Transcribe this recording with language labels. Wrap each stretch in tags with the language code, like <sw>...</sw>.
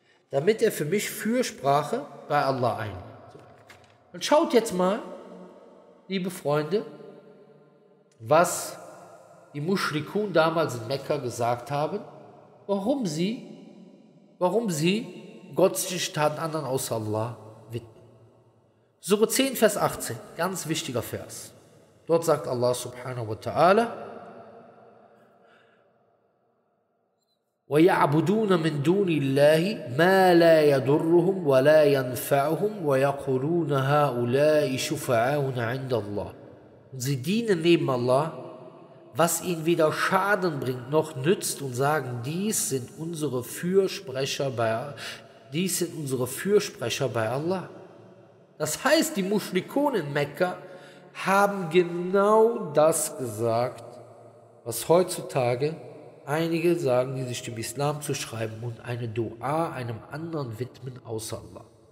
<de>Damit er für mich Fürsprache bei Allah einlegt. Und schaut jetzt mal, liebe Freunde, was die Muschrikun damals in Mekka gesagt haben, warum sie gottlichen Taten anderen außer Allah widmen. Sura 10, Vers 18, ganz wichtiger Vers. Dort sagt Allah subhanahu wa ta'ala,</de> <ar>وَيَعْبُدُونَ مِن دُونِ اللَّهِ مَا لَا يَدُرُّهُمْ وَلَا يَنْفَعُهُمْ وَيَقُولُونَ هَؤُلَاءِ شُفَعَاؤُنَا عِنْدَ اللَّهِ.</ar> <de>Und sie dienen neben Allah, was ihnen weder Schaden bringt noch nützt, und sagen, dies sind unsere Fürsprecher bei Allah. Das heißt, die Muschrikun in Mekka haben genau das gesagt, was heutzutage einige sagen, die sich dem Islam zuschreiben und eine Dua einem anderen widmen außer Allah.</de>